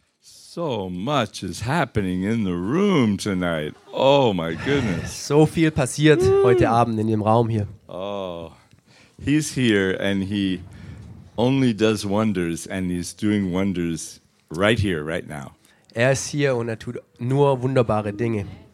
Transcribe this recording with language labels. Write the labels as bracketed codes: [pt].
[en] So much is happening in the room tonight. Oh my goodness. [de] So viel passiert heute Abend in dem Raum hier. [en] Oh, he's here and he only does wonders and he's doing wonders right here, right now. [de] Er ist hier und tut nur wunderbare Dinge.